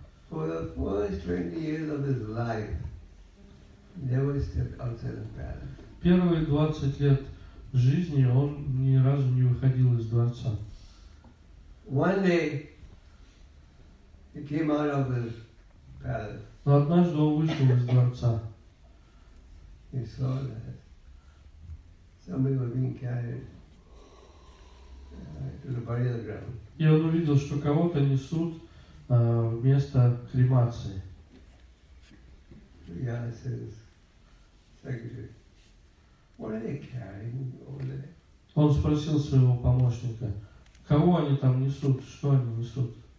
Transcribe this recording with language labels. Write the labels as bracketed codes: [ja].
[en] For the first 20 years of his life, never stepped outside the palace. [ru] Первые 20 лет жизни он ни разу не выходил из дворца. [en] One day he came out of his palace. [ru] Но однажды он вышел из дворца. [en] He saw that somebody was being carried to the burial ground. [ru] И он увидел, что кого-то несут вместо кремации. [en] Yeah, it says, secretary. What are they carrying over there? [ru] Он спросил своего помощника, кого они там несут, что они несут?